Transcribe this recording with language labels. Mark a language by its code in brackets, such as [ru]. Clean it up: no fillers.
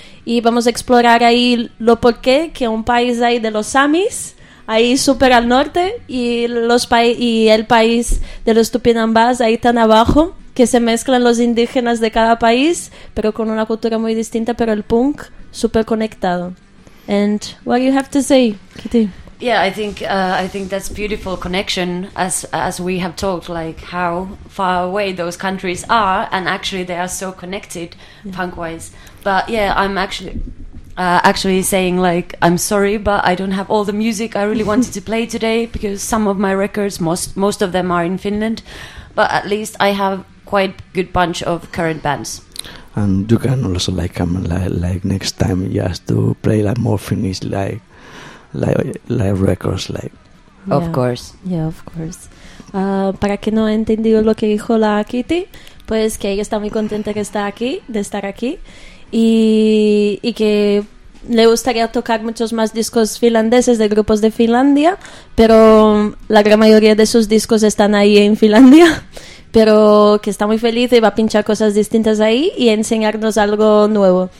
[es] Y vamos a explorar ahí lo por qué que un país ahí de los samis, ahí súper al norte, y los y el país de los tupinambás ahí tan abajo, que se mezclan los indígenas de cada país, pero con una cultura muy distinta, pero el punk súper conectado. [en] And what do you have to say, Kitty? Yeah, I think that's beautiful connection, as we have talked, like how far away those countries are, and actually they are so connected, yeah, punk-wise. But yeah, I'm actually saying, like, I'm sorry, but I don't have all the music I really wanted to play today, because some of my records, most of them are in Finland, but at least I have quite good bunch of current bands. And you can also like come like next time just to play like more Finnish like records, like, yeah. Of course. Yeah, of course. [es] Para que no ha entendido lo que dijo la Kitty, pues que ella está muy contenta que está aquí, de estar aquí, y que le gustaría tocar muchos más discos finlandeses de grupos de Finlandia, pero la gran mayoría de sus discos están ahí en Finlandia, pero que está muy feliz y va a pinchar cosas distintas ahí y enseñarnos algo nuevo.